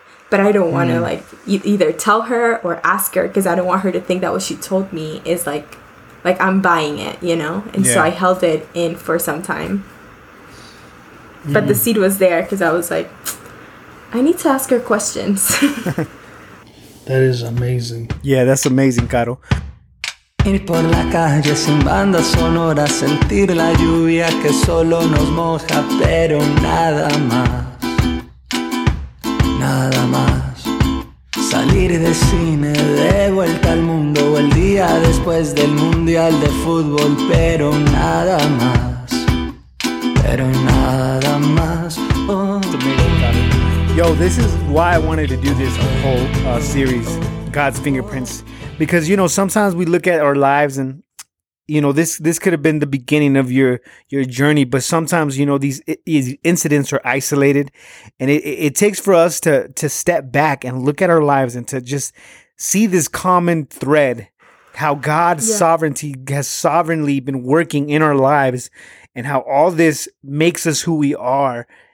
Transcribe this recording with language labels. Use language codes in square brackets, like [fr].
[en] But I don't want to, like, either tell her or ask her, because I don't want her to think that what she told me is, like I'm buying it, you know? And yeah. So I held it in for some time. Mm-hmm. But the seed was there, because I was like, I need to ask her questions. That is amazing. Yeah, that's amazing, Caro. [es] Ir por la calle sin banda sonora, sentir la lluvia que solo nos moja, pero nada más. Nada más. Salir de cine de vuelta al mundo o el día después del mundial de fútbol, pero nada más. Pero nada más. [en] Yo, this is why I wanted to do this whole series, God's Fingerprints, because you know sometimes we look at our lives and you know this could have been the beginning of your journey, but sometimes you know these incidents are isolated, and it takes for us to step back and look at our lives and to just see this common thread, how God's sovereignty has sovereignly been working in our lives, and how all this makes us who we are.